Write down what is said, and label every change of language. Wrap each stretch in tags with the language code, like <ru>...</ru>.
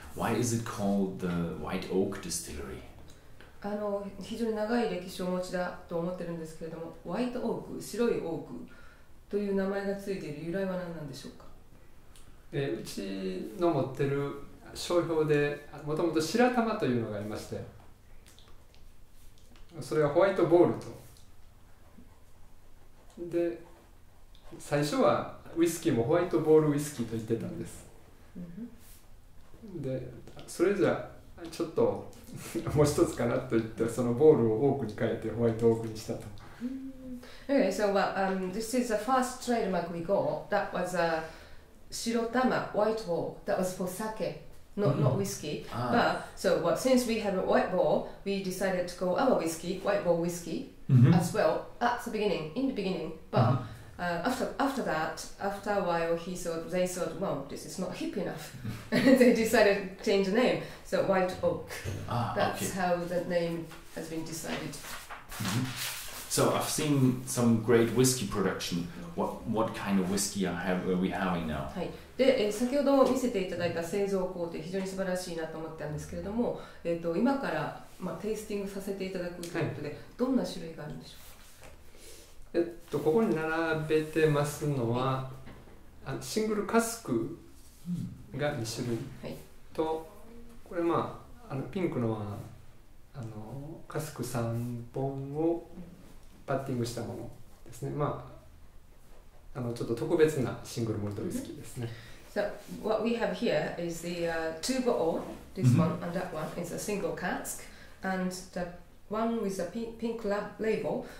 <en>Why is it called the White Oak Distillery?</en> <ja>あの、非常に長い歴史をお持ちだと思ってるんですけれども、White Oak、白いオークという名前がついている由来は何なんでしょうか？うちの持ってる商標で、もともと白玉というのがありまして、それはホワイトボールと。で、最初はウイスキーもホワイトボールウイスキーと言ってたんです。で、それじゃちょっともう一つかなと言って、そのボールをオークに変えてホワイトオークにしたと。</ja> <en>Okay, so this is the first trademark we got. That was a 白玉 white ball. That was for sake, not whiskey. But so what? Since we have a white ball, we decided to call our whiskey white ball whiskey as well at the beginning. In the beginning, but. After a while, they thought, well, this is not hip enough. They decided to change the name. So White Oak. How the name has been decided. Mm-hmm. So I've seen some great whiskey production. What kind of whiskey are we having now?</en> <ja>はい。で、先ほど見せていただいた製造工程、非常に素晴らしいなと思ったんですけれども、今から、テイスティングさせていただくということで、はい、どんな種類があるんでしょうか？ここに並べてますのはシングルカスクが2種類と、これピンクのはカスク3本をパッティングしたものですね。ちょっと特別なシングルモルトウイスキーですね。</ja> <en>So what we have here is the two bottle, this one and that one is a single cask, and the one with a pink label.</en>